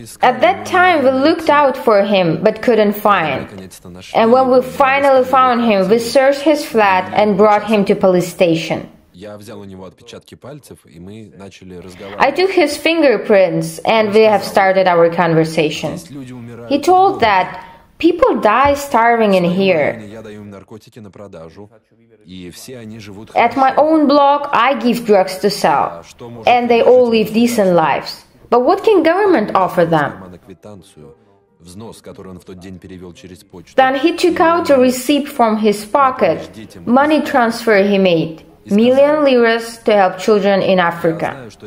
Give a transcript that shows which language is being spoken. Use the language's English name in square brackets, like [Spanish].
[English] At that time we looked out for him but couldn't find. And when we finally found him, we searched his flat and brought him to police station. [Russian] Я взял у него отпечатки пальцев, и мы начали разговаривать. [English] I took his fingerprints, and we have started our conversation. He told that people die starving in here. [Russian] Я даю им наркотики на продажу, и все они живут. [English] At my own block, I give drugs to sell, and they all live decent lives. But what can government offer them? Then he took out a receipt from his pocket, money transfer he made, million liras to help children in Africa.